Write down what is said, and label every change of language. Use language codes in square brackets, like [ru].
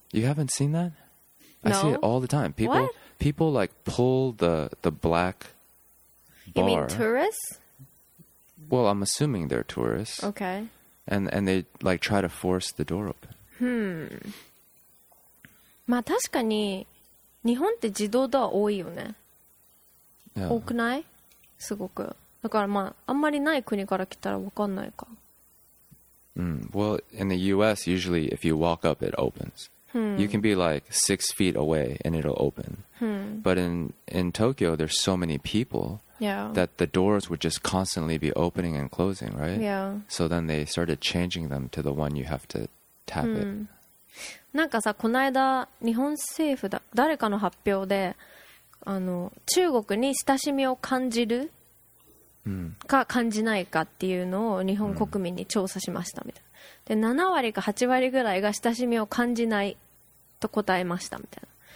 [en] You haven't seen that? No. I see it all the time. People, what? People like pull the black bar. You mean tourists? Well, I'm assuming they're tourists. Okay. And they like try to force the door open. [ja] まあ確かに日本って自動ドア多いよね。 [en] Yeah. [ja] 多くない?すごく。だからまああんまりない国から来たらわかんないか。 [en] Well, in the U.S., usually if you walk up, it opens. You can be like 6 feet away and it'll open. But in Tokyo, there's so many people that the doors would just constantly be opening and closing, right? Yeah. So then they started changing them to the one you have to tap it. [ja] なんかさ、この間日本政府だ誰かの発表で、あの中国に親しみを感じる。か感じないかっていうのを日本国民に調査しましたみたいな。で7割か8割ぐらいが親しみを感じないと答えましたみたいな。